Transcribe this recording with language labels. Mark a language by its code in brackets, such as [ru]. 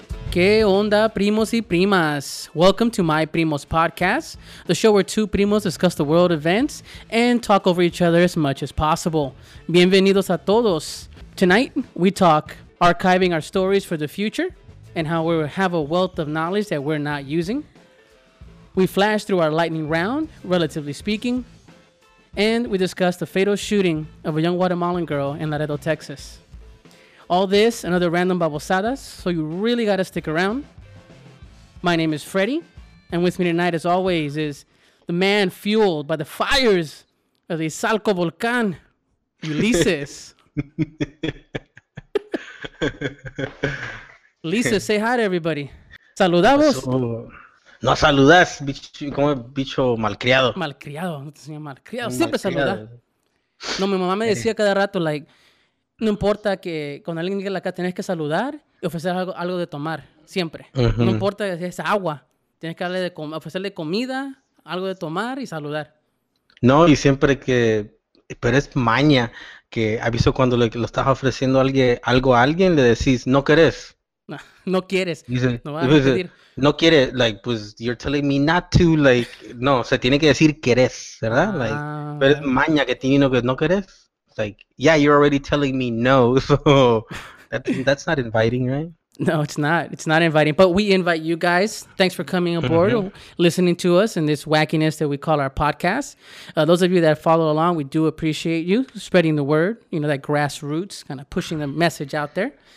[es] ¿Qué onda, primos y primas? [en] Welcome to My Primos Podcast, the show where two primos discuss the world events and talk over each other as much as possible. [es] Bienvenidos a todos. [en] Tonight, we talk archiving our stories for the future and how we have a wealth of knowledge that we're not using. We flash through our lightning round, relatively speaking, and we discuss the fatal shooting of a young Guatemalan girl in Laredo, Texas. All this and other random babosadas, so you really gotta stick around. My name is Freddy, and with me tonight, as always, is the man fueled by the fires of the Izalco Volcan, Ulises. Ulises, say hi to everybody. [es] Saludamos. No saludas, bicho, como bicho malcriado. Malcriado, no te enseñas malcriado. Siempre saluda. No, mi mamá me decía cada rato, like, no importa que con alguien que la acá tenés que saludar y ofrecer algo de tomar, siempre. Uh-huh. No importa si es agua, tienes que darle de ofrecerle comida, algo de tomar y saludar. No, y siempre que, pero es maña, que aviso cuando lo estás ofreciendo a alguien, algo a alguien, le decís, no querés. No quieres. No quieres, like, pues, [en] you're telling me not to, [es] like, no, o sea, tiene que decir querés, ¿verdad? Like, pero es maña que tiene, no querés. [en] Like, yeah, you're already telling me no, so that's not inviting, right? No, it's not. It's not inviting, but we invite you guys. Thanks for coming aboard, listening to us in this wackiness that we call our podcast. Those of you that follow along, we do appreciate you spreading the word, you know, that grassroots, kind of pushing the message out there.